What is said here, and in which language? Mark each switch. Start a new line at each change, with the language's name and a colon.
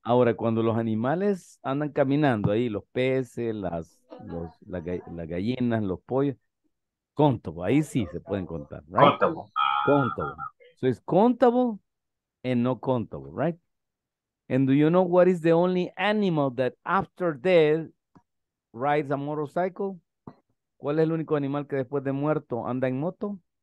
Spanish: Ahora, cuando los animales andan caminando ahí, los peces, las gallinas, los pollos, contable, ahí sí se pueden contar, right? Contable.
English: Contable. So it's countable and no countable, right? And do you know what is the only animal that after death rides a motorcycle?
Spanish: ¿Cuál es el único animal que después de muerto anda en moto?